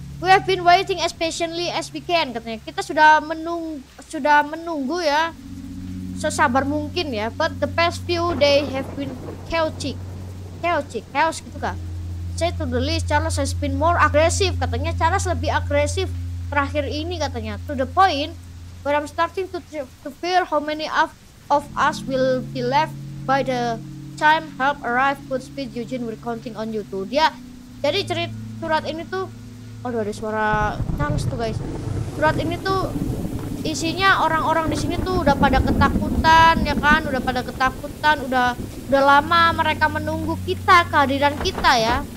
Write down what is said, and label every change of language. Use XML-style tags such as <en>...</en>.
<en>We have been waiting as patiently as we can, katanya.</en> <id>Kita sudah menunggu ya. Sesabar mungkin ya.</id> <en>But the past few days have been chaotic.</en> <id>Chaos gitu kah?</id> <en>Say to the least, Charles has been more aggressive, katanya.</en> <id>Charles lebih agresif terakhir ini, katanya.</id> <en>To the point where I'm starting to fear how many of us will be left by the time help arrive. Good speed, Eugene, we're counting on you too.</en> <id>Dia, jadi cerita surat ini tuh, aduh, ada suara Charles tuh, guys. Surat ini tuh isinya orang-orang di sini tuh udah pada ketakutan ya kan, udah lama mereka menunggu kita, kehadiran kita ya.</id>